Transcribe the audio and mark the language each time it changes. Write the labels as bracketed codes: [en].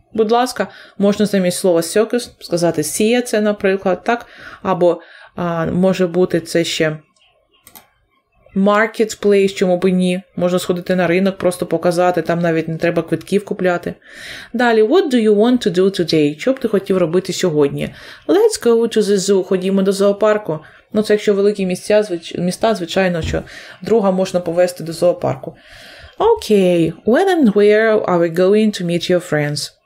[uk] Будь ласка, можна замість слова circus сказати see це, наприклад, так? Або може бути це ще marketplace, чому би ні. Можна сходити на ринок, просто показати, там навіть не треба квитків купляти. Далі, [en] what do you want to do today? [uk] Що б ти хотів робити сьогодні? [en] Let's go to the zoo. [uk] Ходімо до зоопарку. Ну, це якщо великі міста, звичайно, що друга можна повезти до зоопарку. [en] Okay, when and where are we going to meet your friends?